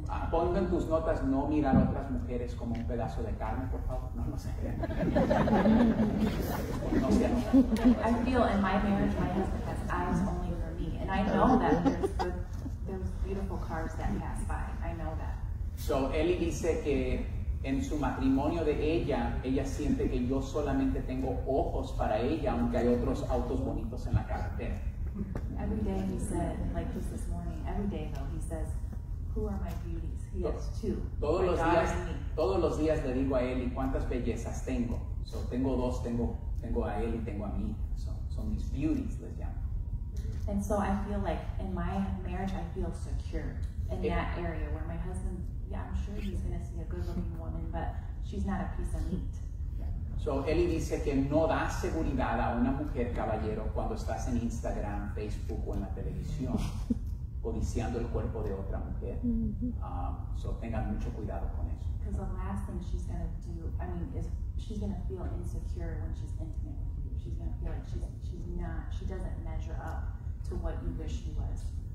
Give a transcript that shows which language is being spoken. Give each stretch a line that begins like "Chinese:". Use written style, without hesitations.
Spanish: Pongan tus notas, no mirar a otras mujeres como un pedazo de carne, por favor. No, no se crean. No se crean.
English: I feel in my marriage, my husband has eyes only for me. And I know that there's beautiful cars that pass by. I know that.
Spanish: So, Ellie dice que en su matrimonio de ella, ella siente que yo solamente tengo ojos para ella, aunque hay otros autos bonitos en la carretera.
English: Every day he said, like just this morning, every day though, he says, who are my beauties? He has two.
Spanish: Todos los días le digo a Eli, ¿cuántas bellezas tengo? So, tengo dos, tengo a Eli, tengo a mí. So, son mis beauties, les llamo.
English: And so I feel like in my marriage, I feel secure in that area where my husband, yeah, I'm sure he's going to see a good-looking woman, but she's not a piece of meat.
Spanish: So, Eli dice que no da seguridad a una mujer, caballero, cuando estás en Instagram, Facebook o en la televisión, codiciando el cuerpo de otra mujer. So, tengan mucho cuidado con eso.
English: Because the last thing she's going to do, she's going to feel insecure when she's intimate with you. She's going to feel like she doesn't measure up to what you wish she was.